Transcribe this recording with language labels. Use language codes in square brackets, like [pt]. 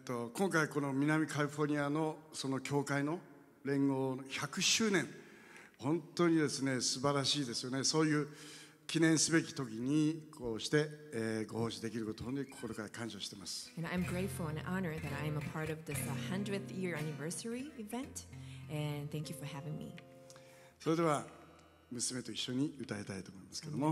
[ja] 今回この南カリフォルニアのその教会の連合の100周年、本当にですね素晴らしいですよね。そういう記念すべき時にこうして、ご奉仕できることに心から感謝しています。 [en] And I'm grateful and honored that I'm a part of this 100th year anniversary event and thank you for having me. [ja] それでは娘と一緒に歌いたいと思いますけども、